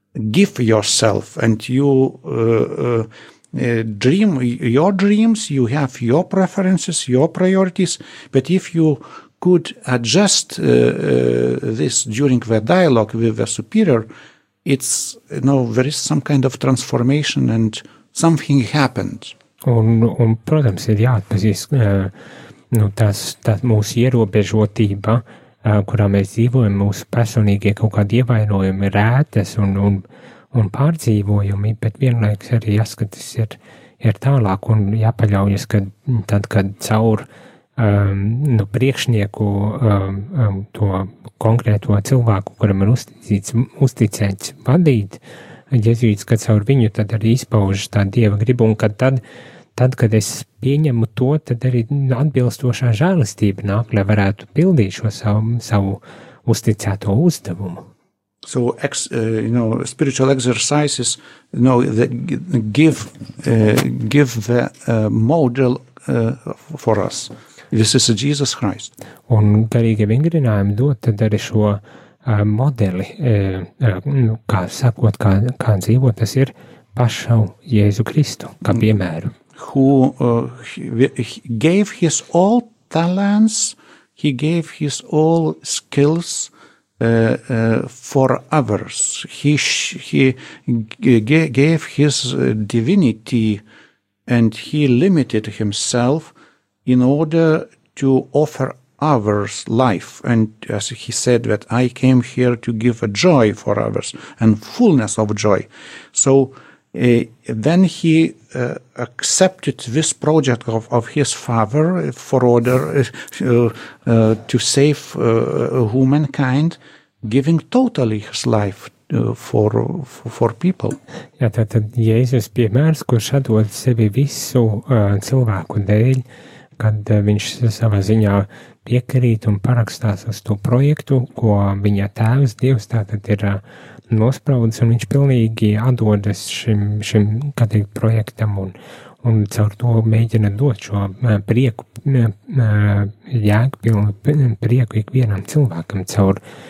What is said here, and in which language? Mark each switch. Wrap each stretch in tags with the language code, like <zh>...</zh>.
<en>give yourself and you dream your dreams, you have your preferences, your priorities, but if you could adjust this during the dialogue with the superior, it's, there is some kind of transformation and something happened.</en> <lv>Un protams, ir jāatpazīst tas mūsu ierobežotība, kurā mēs dzīvojam, mūsu personīgie kaut kādi ievainojumi, rētas un pārdzīvojumi, bet vienlaiks arī jāskatis ir tālāk un jāpaļaujas, kad caur priekšnieku to konkrēto cilvēku, kuram ir uzticēts vadīt, jezuīts, kad caur viņu tad arī izpaužas tā Dieva gribu, un kad tad, kad es pieņemu to, tad arī atbilstošā žēlistība nāk, lai varētu pildīt šo savu uzticēto uzdevumu.</lv> <en>So, spiritual exercises, give the model for us. This is Jesus Christ.</en> <lv>Un garīgi vingrinājumi dot tad arī šo modeli, kā sakot, kā dzīvot, tas ir pašu Jēzu Kristu, kā piemēru.</lv> <en>Who gave his all talents, he gave his all skills for others. He gave his divinity and he limited himself in order to offer others life. And as he said, that I came here to give a joy for others and fullness of joy. So then he accepted this project of his father for order to save humankind, giving totally his life for people.</en> <lv>Jā, tad Jēzus piemērs, kurš atdod sevi visu cilvēku dēļ, kad viņš savā ziņā piekrīt un parakstās uz to projektu, ko viņa tēvs Dievs tātad ir nospraudis, un viņš pilnīgi atdodas šim katrīt projektam un caur to mēģina dot šo prieku, jēgpilnu prieku ikvienam cilvēkam caur</lv>